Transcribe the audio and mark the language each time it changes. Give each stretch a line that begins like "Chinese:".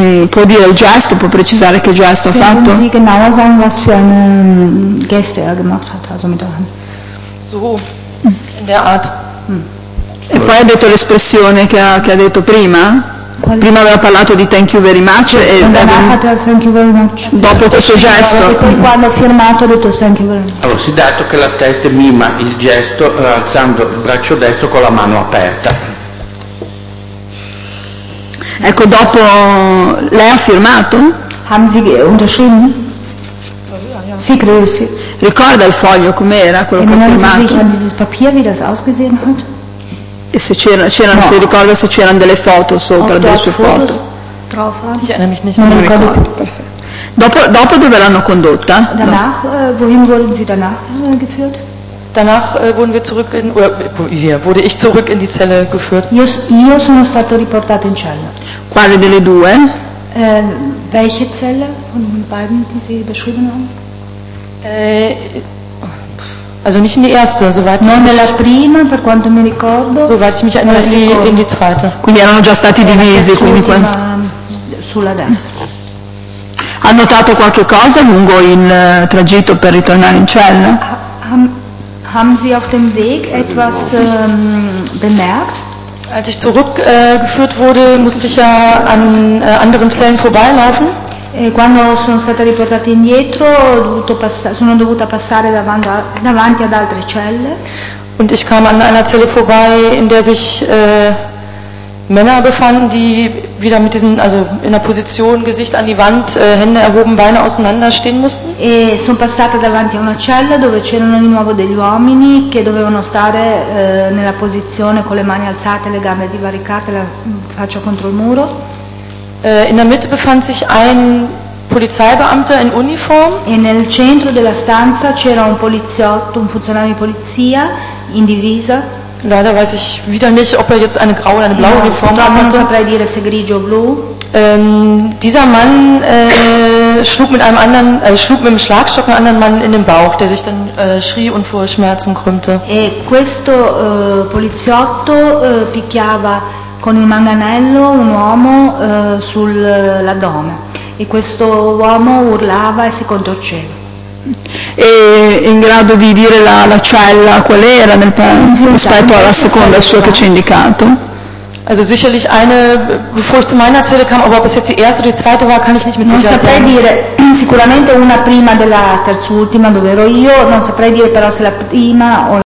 Italian: Può dire il gesto, può precisare che gesto ha fatto?
German: Sie genauer sagen, was für eine Geste er gemacht hat, also mit der Hand. So, in der Art.
Italian: E poi ha detto l'espressione che ha detto prima. Qual? Prima aveva parlato di
English: thank you very much.
Italian: Sì,
English: thank you very much.
Italian: Dopo questo gesto. E poi quando ha firmato ha detto
English: thank you very much.
Italian: Allora, si è dato che la testa mima il gesto alzando il braccio destro con la mano aperta. Ecco, dopo lei ha firmato?
German: Haben Sie unterschrieben?
Italian: Sì, credo sì. Ricorda il foglio com'era, quello che ha firmato?
German: Sich an dieses Papier, wie das ausgesehen hat?
Italian: E se c'erano, no. Si ricorda se c'erano delle foto sopra, delle sue foto?
German: Drauf haben. Ich erinnere mich nicht.
Italian: Non ricordo. Dopo dove l'hanno condotta?
German: Danach, no. Wohin wurden Sie danach geführt? Danach wurden wir zurück in, oder hier, wurde ich zurück in die Zelle geführt.
Italian: Io sono stato riportato in cella. Quale delle due?
German: Welche Zelle von den beiden, die Sie beschrieben haben? Also nicht in die erste, soweit
Italian: non
German: ich
Italian: nella prima, per quanto mi ricordo.
German: Soweit ich mich erinnere, sie in die zweite.
Italian: Quindi erano già stati divisi, quindi sulla destra. Ha notato qualche cosa lungo il tragitto per ritornare in cella?
German: Haben Sie auf dem Weg etwas bemerkt? Als ich zurückgeführt wurde, musste ich ja an anderen Zellen vorbeilaufen.
Italian: Quando sono stata riportata indietro, sono dovuta passare davanti ad altre celle.
German: Und ich kam an einer Zelle vorbei, in der sich Männer befanden, die wieder mit diesen, also in der Position, Gesicht an die Wand, Hände erhoben, Beine auseinander stehen mussten.
Italian: E sono passata davanti a una cella dove c'erano di nuovo degli uomini che dovevano stare nella posizione con le mani alzate, le gambe divaricate, la faccia contro il muro.
German: In der Mitte befand sich ein Polizeibeamter in Uniform.
Italian: E nel centro della stanza c'era un poliziotto, un funzionario di polizia in divisa.
German: Leider weiß ich wieder nicht, ob er jetzt eine graue oder eine blaue Uniform hatte.
Italian: Non saprei dire se grigio o blu.
German: Dieser Mann schlug mit dem Schlagstock einen anderen Mann in den Bauch, der sich dann schrie und vor Schmerzen krümmte.
Italian: E questo poliziotto picchiava con il manganello un uomo sull'addome e questo uomo urlava e si contorceva. E in grado di dire la cella qual era nel pezzo rispetto alla seconda sua che ci ha indicato?
German: Also sicherlich eine, bevor ich zu meiner Zelle kam, aber ob es jetzt die erste oder die zweite war, kann ich nicht mit Sicherheit sagen.
Italian: Non saprei dire, sicuramente una prima della terza ultima dove ero io, non saprei dire però se la prima o